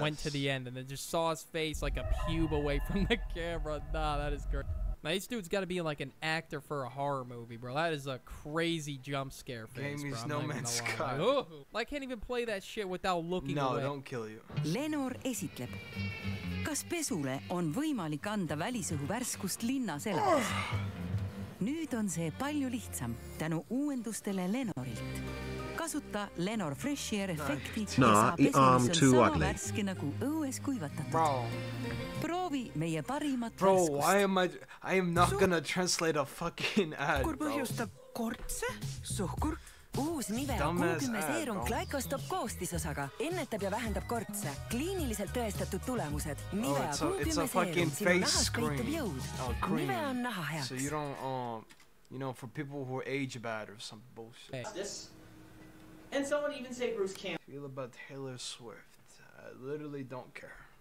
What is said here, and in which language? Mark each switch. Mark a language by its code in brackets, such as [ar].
[en] went to the end and then just saw his face like a pube away from the camera? Nah, that is great. Now, this dude's got to be like an actor for a horror movie, bro. That is a crazy jump scare face, game bro. Is No Man's Sky. Like, I can't even play that shit without looking away. No, don't kill you. [et] Lenor esitleb. Kas pesule on võimalik anda välisõhu värskust linnas elades? Nüüd on see palju lihtsam tänu uuendustele Lenorilt. Kasuta Lenor Fresh Air efekti ja saa pesumisel sama värske nagu õues kuivatatud. Proovi meie parimat värskust. [en] Bro, why am I am not gonna translate a fucking ad, bro. [et] Kur põhjustab kortse, suhkur? Uus Nivea kuukümme seerum glaikostop koostisosaga ennetab ja vähendab kortse. Kliiniliselt tõestatud tulemused. Nivea [en] it's a fucking face cream. [et] Nivea on naha heaks. [en] So you don't, you know, for people who age bad or some bullshit. This? And someone even say Bruce Campbell. I feel about Taylor Swift. I literally don't care.